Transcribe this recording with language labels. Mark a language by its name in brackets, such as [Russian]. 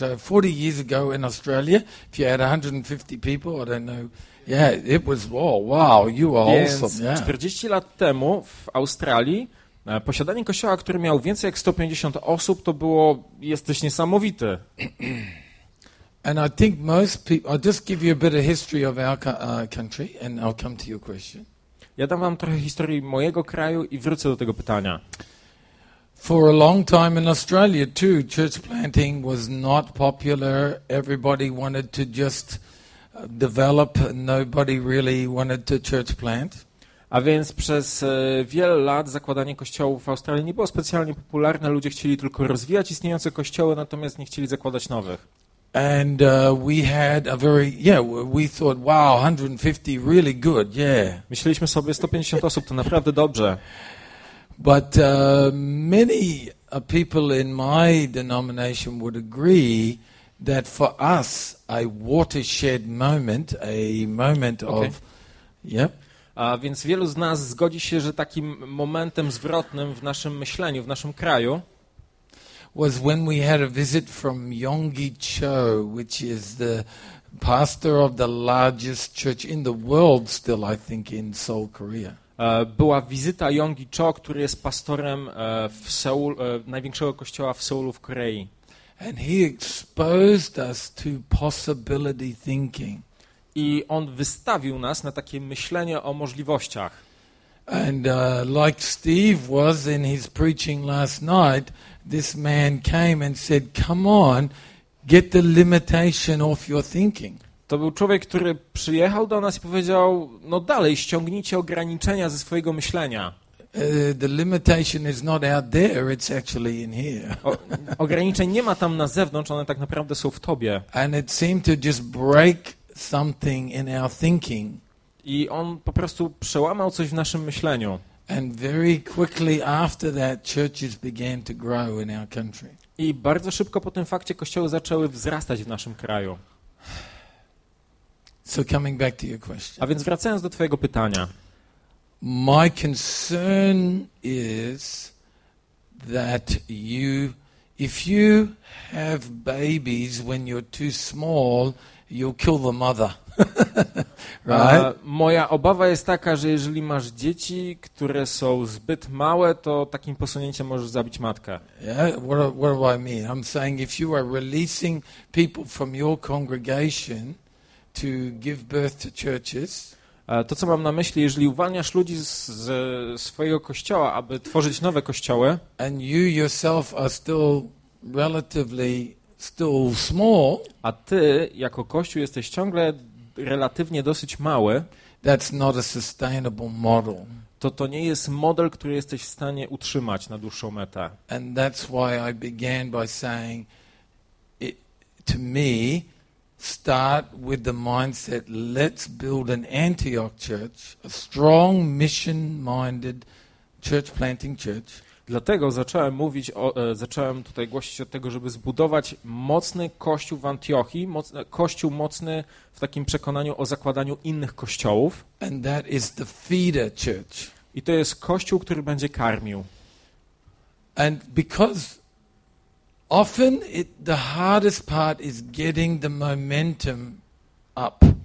[English] So 40 years ago in Australia, if you had 150 people, I don't know, yeah, it was, wow, you are awesome. Yeah. [Polish] 40 lat temu w Australii posiadanie kościoła, który miał więcej jak 150 osób, to było, jesteś niesamowity. [English] And I think most people, I'll just give you a bit of history of our country and I'll come to your question. [Polish] Ja dam wam trochę historii mojego kraju i wrócę do tego pytania. [English] For a long time in Australia too, church planting was not popular. Everybody wanted to just develop. Nobody really wanted to church plant. [Polish] A więc przez wiele lat zakładanie kościołów w Australii nie było specjalnie popularne. Ludzie chcieli tylko rozwijać istniejące kościoły, natomiast nie chcieli zakładać nowych. [English] And we had a very, yeah, we thought, wow, 150, really good, yeah. [Polish] Myśleliśmy sobie, 150 osób to naprawdę dobrze. [English] But many people in my denomination would agree that for us a watershed moment, a moment of, okay. Yeah. [Polish] A więc wielu z nas zgodzi się, że takim momentem zwrotnym w naszym myśleniu, w naszym kraju, [English] was when we had a visit from Yonggi Cho, which is the pastor of the largest church in the world still, I think, in Seoul, Korea. [Polish] Była wizyta Yonggi Cho, który jest pastorem w Seul, największego kościoła w Seulu w Korei. [English] And he exposed us to possibility thinking. [Polish] I on wystawił nas na takie myślenie o możliwościach. [English] And like Steve was in his preaching last night, this man came and said, "Come on, get the limitation off your thinking." [Polish] To był człowiek, który przyjechał do nas i powiedział: "No dalej, ściągnijcie ograniczenia ze swojego myślenia." [English] The limitation is not out there, it's actually in here. [Polish] Ograniczeń nie ma tam na zewnątrz, one tak naprawdę są w tobie. [English] And it seemed to just break something in our thinking. [Polish] I on po prostu przełamał coś w naszym myśleniu. [English] And very quickly after that churches began to grow in our country. [Polish] I bardzo szybko po tym fakcie kościoły zaczęły wzrastać w naszym kraju. [English] So coming back to your question. [Polish] A więc wracając do twojego pytania. [English] My concern is that you, if you have babies when you're too small, you'll kill the mother. Right? [Polish] Moja obawa jest taka, że jeżeli masz dzieci, które są zbyt małe, to takim posunięciem możesz zabić matkę. [English] Yeah? What do I mean? I'm saying if you are releasing people from your congregation to give birth to churches. [Polish] To, co mam na myśli, jeżeli uwalniasz ludzi ze swojego kościoła, aby tworzyć nowe kościoły, [English] and you yourself are still relatively still small, [Polish] a ty jako kościół jesteś ciągle relatywnie dosyć mały, [English] that's not a sustainable model. [Polish] To nie jest model, który jesteś w stanie utrzymać na dłuższą metę. [English] And that's why I began by saying it, to me, start with the mindset, let's build an Antioch church, a strong mission-minded church planting church. [Polish] Dlatego zacząłem tutaj głosić od tego, żeby zbudować mocny kościół w Antiochii, kościół mocny w takim przekonaniu o zakładaniu innych kościołów. [English] And that is the feeder church. [Polish] I to jest kościół, który będzie karmił. [English] And because often it, the hardest part is getting the momentum up.